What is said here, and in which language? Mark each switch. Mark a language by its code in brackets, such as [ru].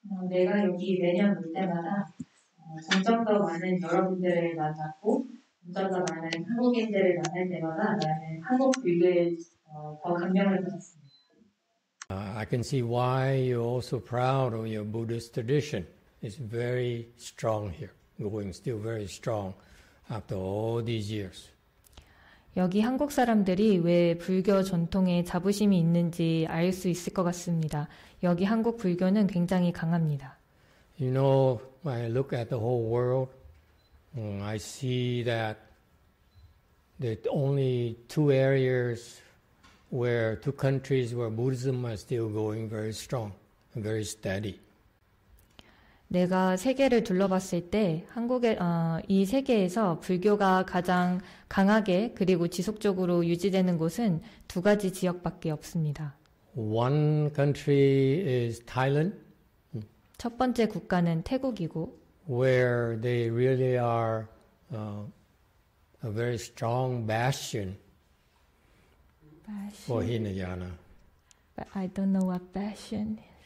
[ko] 내가 여기 매년 올 때마다 점점 더 많은 여러분들을 만났고 점점 더 많은 한국인들을 만날 때마다 나는 한국 불교에 더 감명을 받았습니다. [en] I can see why you're also proud of your Buddhist tradition. It's very strong here, going still very strong after all these years. [ko] 여기 한국 사람들이 왜 불교 전통에 자부심이 있는지 알 수 있을 것 같습니다. 여기 한국 불교는 굉장히 강합니다. [en] You know, I look at the whole world. I see that the only two areas where two countries where Buddhism are still going very strong, very steady. [ko] 내가 세계를 둘러봤을 때 한국의 이 세계에서 불교가 가장 강하게 그리고 지속적으로 유지되는 곳은 두 가지 지역밖에 없습니다. [en] One country is Thailand. [ko] 첫 번째 국가는 태국이고 [en] where they really are a very strong bastion for Hinayana. But I don't know what bastion is.